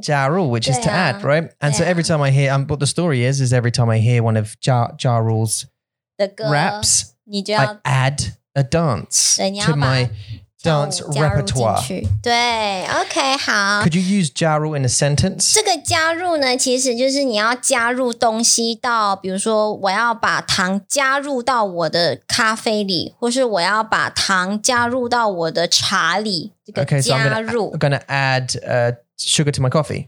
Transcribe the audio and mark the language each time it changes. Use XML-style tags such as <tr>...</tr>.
<en>加入 which is to add, right? And so every time I hear, what the story is every time I hear one of Ja Rule's raps, I add a dance to my dance repertoire.</en> <zh>对 ,OK, 好。</zh> <en>Could you use Ja Rule in a sentence?</en> <zh>这个加入呢,其实就是你要加入东西到,比如说我要把糖加入到我的咖啡里,或是我要把糖加入到我的茶里。</zh> <en>Okay, so I'm going to add sugar to my coffee.</en>